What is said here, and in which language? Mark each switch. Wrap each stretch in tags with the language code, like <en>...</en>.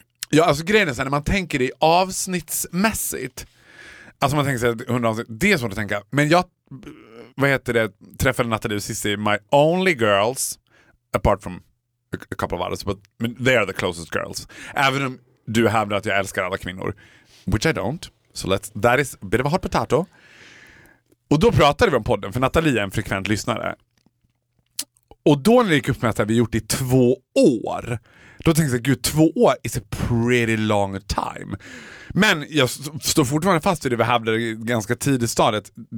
<sv>Ja, alltså grejen är så här, när man tänker det avsnittsmässigt. Alltså man tänker sig att 100 avsnitt, det är svårt att tänka. Men jag, vad heter det, träffade</sv> <en>Nathalie och Sissi, my only girls, apart from a couple of others, but they are the closest girls.</en> <sv>Även om du hävdar att jag älskar alla kvinnor,</sv> <en>which I don't. So let's, that is a bit of a hot potato.</en> <sv>Och då pratade vi om podden, för Nathalie är en frekvent lyssnare. Och då när det gick upp med att vi gjort det i 2 år, då tänkte jag, gud, 2 år</sv> <en>is a pretty long time.</en> <sv>Men jag står fortfarande fast vid det vi hävdade ganska tidigt stadiet.</sv>